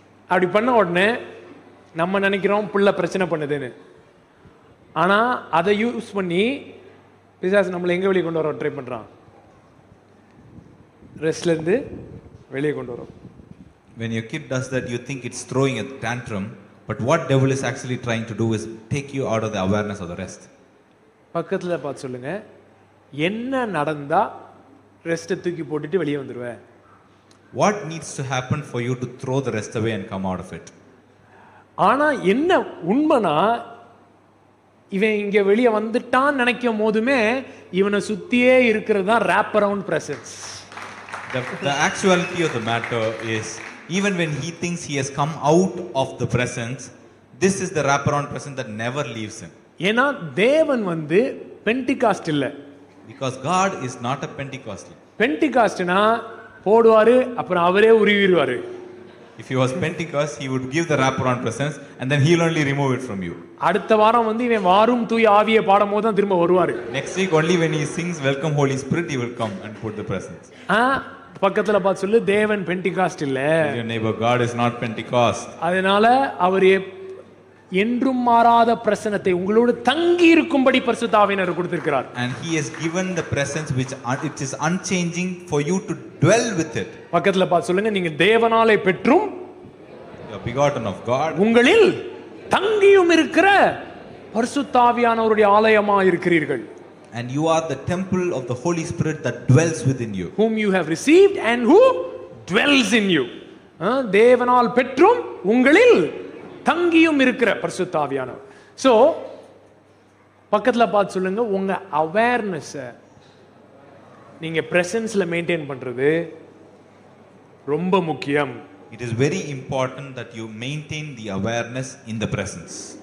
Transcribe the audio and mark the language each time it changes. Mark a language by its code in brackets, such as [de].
[ta] அப்படி பண்ண உடனே நம்ம நினைக்கிறோம் பிள்ளை பிரச்சனை பண்ணுதுன்னு, ஆனால் அதை யூஸ் பண்ணி பிசாசு நம்மளை எங்கே வெளியே கொண்டு வர ட்ரை பண்ணுறான், ரெஸ்ட்லேருந்து வெளியே கொண்டு வரும். [en] When your kid does that, you think it's throwing a tantrum. But what devil is actually trying to do is take you out of the awareness of the rest. [ta] பக்கத்தில் பார்த்து சொல்லுங்கள், என்ன நடந்தால் ரெஸ்ட்டை தூக்கி போட்டுட்டு வெளியே வந்துடுவேன். [en] What needs to happen for you to throw the rest away and come out of it? [ta] ஆனா என்ன உண்மைனா இவன் இங்க வெளிய வந்துட்டான் நினைக்கும் போதுமே இவனை சுத்தியே இருக்குறதா rap around presence. [en] The actuality of the matter is even when he thinks he has come out of the presence, this is the wraparound presence that never leaves him. [ta] ஏனா தேவன் வந்து பெண்டிகாஸ்ட் இல்ல. [en] Because God is not a Pentecostal. [ta] பெண்டிகாஸ்ட்னா போடுவாரு அப்புறம் அவரே உருவிருவாரு. [en] If he was Pentecost, he would give the wraparound presence and then he'll only remove it from you. [ta] அடுத்த வாரம் வந்து இவன் வாரும் தூய ஆவியே பாடும்போது தான் திரும்ப வருவாரு. [en] Next week only when he sings welcome holy spirit he will come and put the presence. [ta] பக்கத்துல பார்த்து சொல்லு தேவன் பெண்டிகாஸ்ட் இல்ல. [en] Your neighbor, God is not Pentecost. [ta] அதனால அவர் என்றும் மாறாத பிரசனத்தை உங்களோடு தங்கி இருக்கும்படி பரிசுத்த ஆவியானவர் கொடுத்திருக்கிறார். [en] And he has given the presence which it is unchanging for you to dwell with it. [ta] பக்கத்துல பார்த்து சொல்லுங்க நீங்க தேவனாலே பெற்றும் [en] you are begotten of God. [ta] உங்களில் தங்கியும் இருக்கிற பரிசுத்த ஆவியானவருடைய ஆலயமாய் இருக்கிறீர்கள். [en] And you are the temple of the Holy Spirit that dwells within you. Whom you have received and who dwells in you. [ta] தேவனால் பெற்றும் உங்களில் தங்கியும் இருக்கிற பரிசுத்த ஆவியானவர். சோ பக்கத்துல பார்த்து சொல்லுங்க உங்க அவேர்னஸ் நீங்க பிரசன்ஸ்ல மெயின்டைன் பண்றது ரொம்ப முக்கியம். [en] It is very important that you maintain the awareness in the presence.